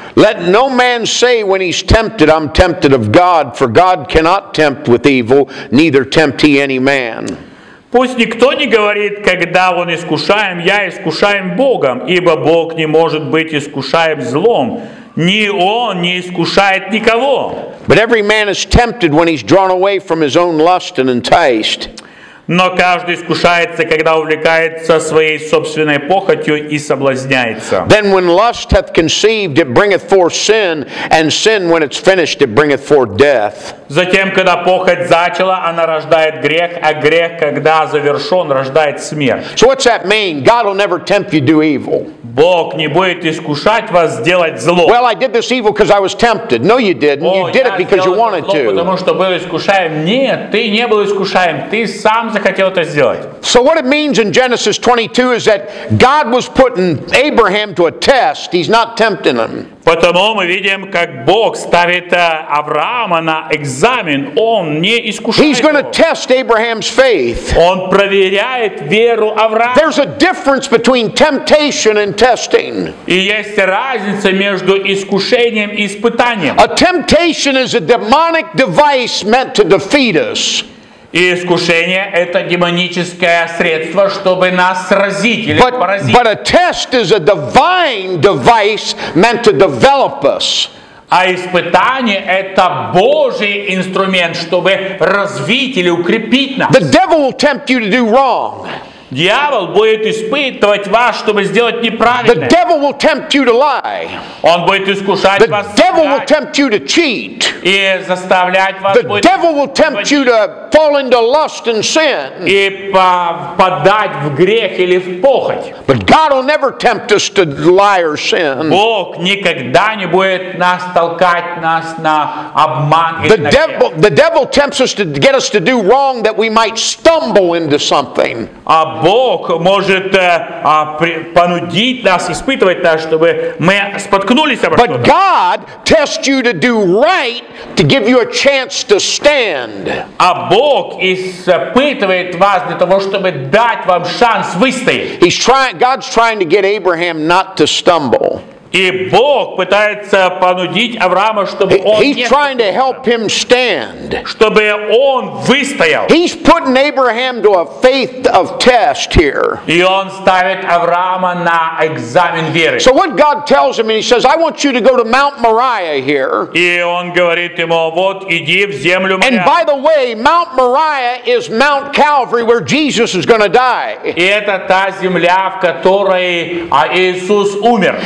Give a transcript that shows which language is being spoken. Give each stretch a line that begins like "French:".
English: Let no man say when he's tempted, I'm tempted of God, for God cannot tempt with evil, neither tempt he any man.
Russian: Пусть никто не говорит, когда он искушаем, я искушаем Богом, ибо Бог не может быть искушаем злом. Ни он не искушает никого.
English: But every man is tempted when he's drawn away from his own lust and enticed.
Russian: Но каждый искушается, когда увлекается своей собственной похотью и соблазняется.
English: Then when lust hath conceived, it bringeth forth sin, and sin, when it's finished, it bringeth forth death.
Russian: Затем, когда похоть зачала, она рождает грех, а грех, когда завершен, рождает смерть.
English: So what's that mean? God will never tempt you to do evil.
Russian: Бог не будет искушать вас сделать зло.
English: Well, I did this evil because I was tempted. No, you didn't. You did it because you wanted to.
Russian: Потому что был искушаем. Нет, ты не был искушаем. Ты сам.
English: So what it means in Genesis 22 is that God was putting Abraham to a test. He's not tempting him.
Russian: Потому мы видим, как Бог ставит Авраама на экзамен. Он не искушает.
English: He's going to test Abraham's faith.
Russian: Он проверяет веру Авраама.
English: There's a difference between temptation and testing.
Russian: И есть разница между искушением и испытанием.
English: A temptation is a demonic device meant to defeat us.
Russian: И искушение — это демоническое средство, чтобы нас сразить или поразить.
English: But a test is a divine device meant to develop us.
Russian: А испытание — это Божий инструмент, чтобы развить или укрепить нас.
English: The devil will tempt you to do wrong.
Russian: Дьявол будет испытывать вас, чтобы сделать неправильное.
English: The devil will tempt you to lie.
Russian: Он будет искушать вас.
English: The devil will tempt you to cheat.
Russian: И заставлять вас.
English: The devil will tempt you to fall into lust and sin.
Russian: И попадать в грех или в похоть.
English: But God will never tempt us to lie or sin.
Russian: Бог никогда не будет нас толкать нас на обман.
English: The devil tempts us to get us to do wrong that we might stumble into something.
Russian: Бог может понудить нас, испытывать нас, чтобы мы споткнулись обо что-то.
English: But God tests you to do right to give you a chance to stand.
Russian: А Бог испытывает вас для того, чтобы дать вам шанс выстоять.
English: God's trying to get Abraham not to stumble.
Russian: И Бог пытается понудить Авраама, чтобы он не...
English: He's trying to help him stand.
Russian: Чтобы он выстоял.
English: He's putting Abraham to a faith of test here.
Russian: И он ставит Авраама на экзамен веры.
English: So what God tells him, and he says, I want you to go to Mount Moriah here.
Russian: И он говорит ему, вот иди в землю Моря.
English: And by the way, Mount Moriah is Mount Calvary, where Jesus is going to die.
Russian: И это та земля, в которой Иисус умер.